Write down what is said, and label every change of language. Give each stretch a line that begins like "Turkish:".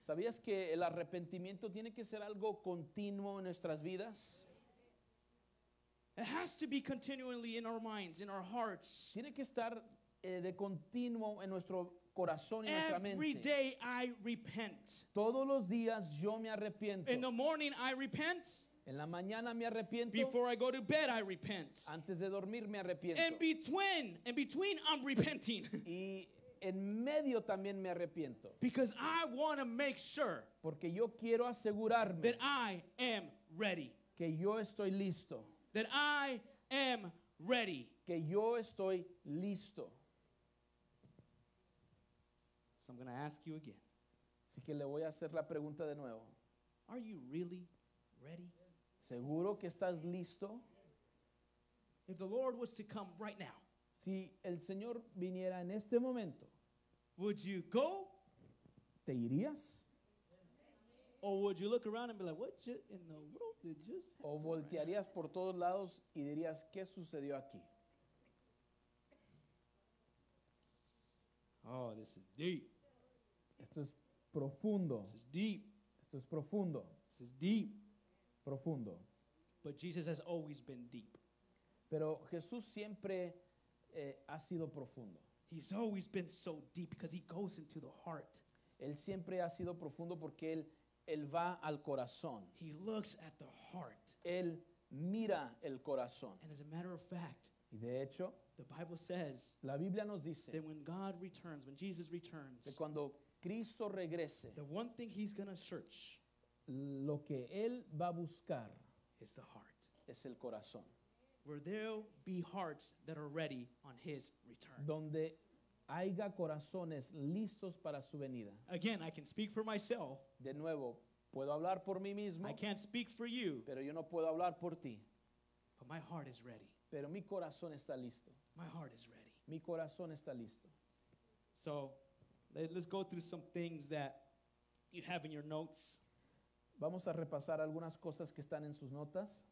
Spanish: ¿Sabías que el arrepentimiento tiene que ser algo continuo en nuestras vidas?
English: It has to be continually in our minds, in our hearts.
Spanish: Tiene que estar de continuo en nuestro corazón y
English: every
Spanish: nuestra mente.
English: Every day I repent.
Spanish: Todos los días yo me arrepiento.
English: In the morning I repent.
Spanish: En la mañana me arrepiento.
English: Before I go to bed, I repent.
Spanish: Antes de dormir, me arrepiento.
English: In between, I'm repenting.
Spanish: Y en medio también me arrepiento.
English: Because I want to make sure.
Spanish: Porque yo quiero asegurarme.
English: That I am ready.
Spanish: Que yo estoy listo.
English: That I am ready.
Spanish: Que yo estoy listo.
English: So I'm going to ask you again.
Spanish: Así que le voy a hacer la pregunta de nuevo.
English: Are you really ready?
Spanish: ¿Seguro que estás listo?
English: If the Lord was to come right now,
Spanish: si el Señor viniera en este momento,
English: would you go?
Spanish: ¿Te irías?
English: Or would you look around and be like, what in the world did just happen?
Spanish: ¿O voltearías
English: right
Spanish: por todos lados y dirías, qué sucedió aquí?
English: Oh, this is deep.
Spanish: Esto es profundo.
English: This is deep.
Spanish: Esto es profundo.
English: This is deep.
Spanish: Profundo.
English: But Jesus has always been deep.
Spanish: Pero Jesús siempre ha sido profundo.
English: He's always been so deep because he goes into the heart.
Spanish: Él siempre ha sido profundo porque él va al corazón.
English: He looks at the heart.
Spanish: Él mira el corazón.
English: And as a matter of fact,
Spanish: y de hecho,
English: the Bible says,
Spanish: la Biblia nos dice,
English: that when God returns, when Jesus returns,
Spanish: que cuando Cristo regrese,
English: the one thing he's going to search,
Spanish: lo que él va a buscar,
English: is the heart.
Spanish: Es el corazón.
English: Where there'll be hearts that are ready on his return.
Spanish: Donde haya corazones listos para su venida.
English: Again, I can speak for myself.
Spanish: De nuevo, puedo hablar por mí mismo.
English: I can't speak for you.
Spanish: Pero yo no puedo hablar por ti.
English: But my heart is ready.
Spanish: Pero mi corazón está listo.
English: My heart is ready.
Spanish: Mi corazón está listo.
English: So, let's go through some things that you have in your notes.
Spanish: Vamos a repasar algunas cosas que están en sus notas.